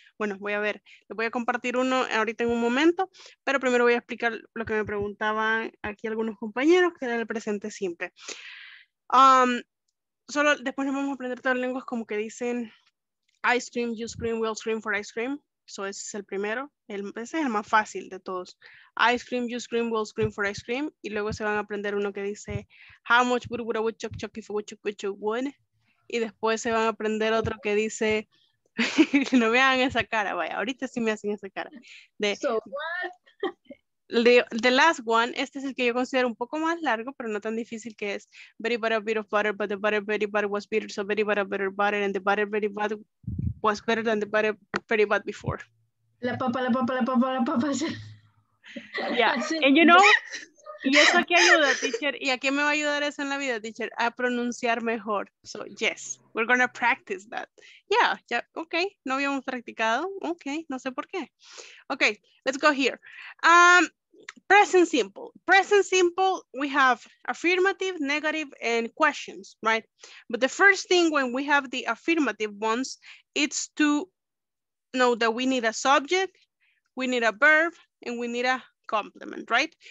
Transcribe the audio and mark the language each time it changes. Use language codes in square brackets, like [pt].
[es] Bueno, voy a ver, les voy a compartir uno ahorita en un momento, pero primero voy a explicar lo que me preguntaban aquí algunos compañeros, que era el presente simple. Solo después nos vamos a aprender todas las lenguas, como que dicen [en] ice cream, you scream, we'll scream for ice cream. [es] So ese es el primero, ese es el más fácil de todos. [en] Ice cream, you scream, we'll scream for ice cream. [es] Y luego se van a aprender uno que dice [en] how much would a woodchuck chuck if a woodchuck would chuck wood. [es] Y después se van a aprender otro que dice no me hagan esa cara, vaya, ahorita sí me hacen esa cara. De, [en] so what? The last one, [es] este es el que yo considero un poco más largo, pero no tan difícil, que es [en] very bad, a bit of butter, but the butter very bad was bitter, so very bad, a better butter, and the butter very bad was better than the butter very bad before. [es] La papa. Yeah, así. [en] And you know, [es] y eso que ayuda, teacher, y a qué me va a ayudar eso en la vida, teacher, a pronunciar mejor. [en] So, yes, we're gonna practice that. [es] Yeah, yeah, okay, no habíamos practicado, okay, no sé por qué. [en] Okay, let's go here. Present simple. Present simple, we have affirmative, negative, and questions, right? But the first thing when we have the affirmative ones, it's to know that we need a subject, we need a verb, and we need a complement, right?